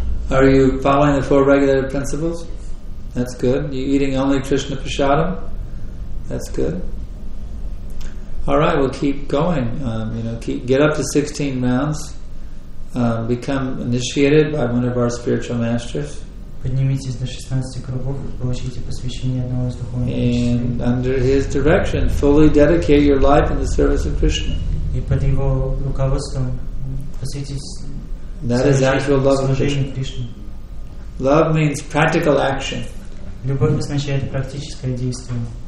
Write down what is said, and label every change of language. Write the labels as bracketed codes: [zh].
[en] Are you following the four regular principles? That's good. You eating only Krishna Prasadam? That's good. All right, we'll keep going. Get up to 16 rounds. Become initiated by one of our spiritual masters. [ru] Поднимитесь до 16 кругов и получите посвящение одного из духовных мастеров. [en] And under his direction, fully dedicate your life in the service of Krishna. [ru] И под его руководством посвятитесь. [en] That is actual love of Krishna. Love means practical action. [ru] Любовь означает практическое действие.